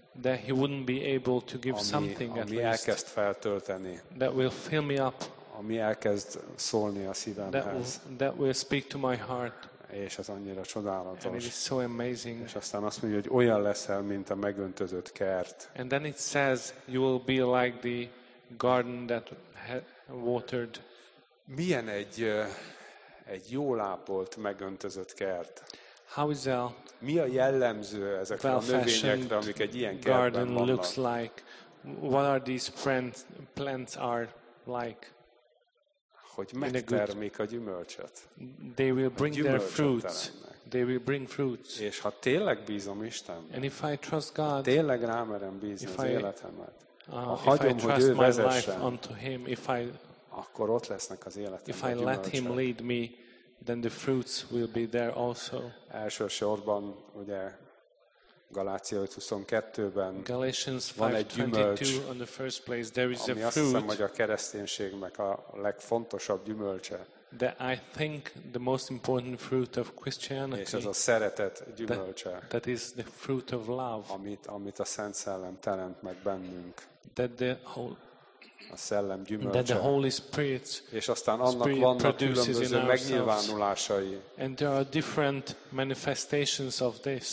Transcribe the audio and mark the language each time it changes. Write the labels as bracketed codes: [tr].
[en] That he wouldn't be able to give [hu] ami, [en] something [hu] ami [en] at least. [hu] Ami elkezd feltölteni. [en] That will fill me up. [hu] Ami elkezd szólni a szívemhez. [en] That will speak to my heart. [hu] És ez annyira csodálatos. [en] And it is so amazing. [hu] És aztán azt mondja, hogy olyan leszel, mint a megöntözött kert. [en] And then it says, you will be like the garden that watered. [hu] Milyen egy jól ápolt, megöntözött kert? [en] How is a [hu] mi a jellemző ezekre a növényekre, amik egy ilyen kertben vannak? [en] Garden looks like. What are these plants are like? [hu] Hogy megtermik a gyümölcsöt. [en] They will bring their fruits. They will bring fruits. [hu] És ha tényleg bízom Istenben. [en] And if I trust God. [hu] Tényleg rámerem bízni az életemet. Ha hagyom, hogy ő vezessen. Akkor ott lesznek az életemben. [en] If I let him lead me, then the fruits will be there also. [hu] Elsősorban ugye Galácia 5:22-ben van egy gyümölcs, ami azt hiszem, hogy a kereszténységnek a legfontosabb gyümölcse. [en] That I think the most important fruit of Christianity. [hu] És ez a szeretet gyümölcse. [en] That is the fruit of love. [hu] Amit a Szent Szellem teremt meg bennünk. [en] That the whole [hu] a szellem gyümölcse. [en] That the Holy Spirit. [hu] És aztán annak vannak különböző megnyilvánulásai. [en] And there are different manifestations of this.